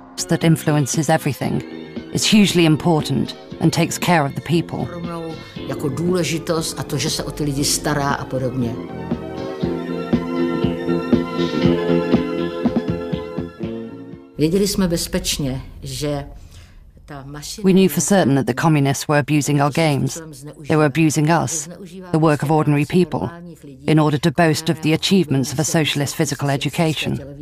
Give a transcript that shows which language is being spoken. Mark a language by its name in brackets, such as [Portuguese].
[English] That influences everything, is hugely important and takes care of the people. [Czech] jako důležitost a to, že se o ty lidi stará a podobně. Věděli jsme bezpečně, že [English] We knew for certain that the communists were abusing our games. They were abusing us, the work of ordinary people, in order to boast of the achievements of a socialist physical education.